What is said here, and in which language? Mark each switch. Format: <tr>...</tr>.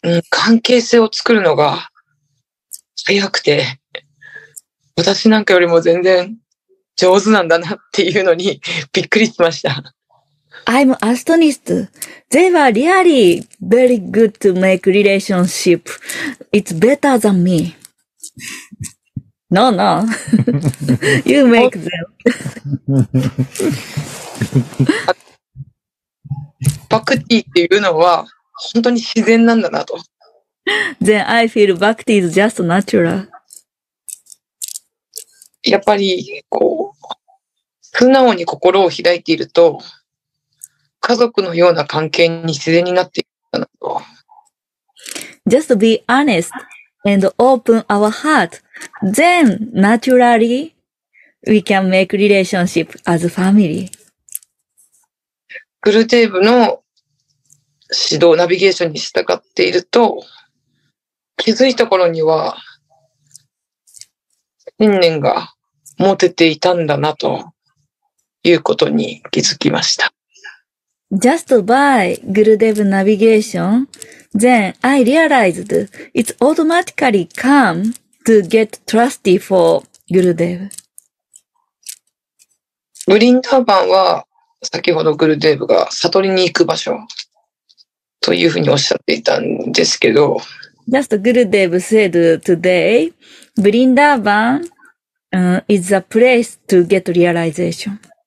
<ja>関係性を作るのが早くて、私なんかよりも全然上手なんだなっていうのにびっくりしました。</ja> <en>I'm astonished. They were really very good to make relationship. It's better than me. No, no. You make them.</en> <ja>バクティっていうのは本当に自然なんだなと。</ja> <en>Then I feel bhakti is just natural.</en> <ja>やっぱりこう、素直に心を開いていると、家族のような関係に自然になっていったなと。</ja> <en>Just be honest and open our heart. Then, naturally, we can make relationship as a family.</en> <ja>グルデーブの指導、ナビゲーションに従っていると、気づいた頃には、信念が持てていたんだなということに気づきました。</ja> <en>Just by Gurudev navigation, then I realized it's automatically come to get trusty for Gurudev.</en> <ja>ブリンダーバンは先ほどグルデーブが悟りに行く場所というふうにおっしゃっていたんですけど。</ja> <en>Just Gurudev said today, ブリンダーバン is a place to get realization.</en>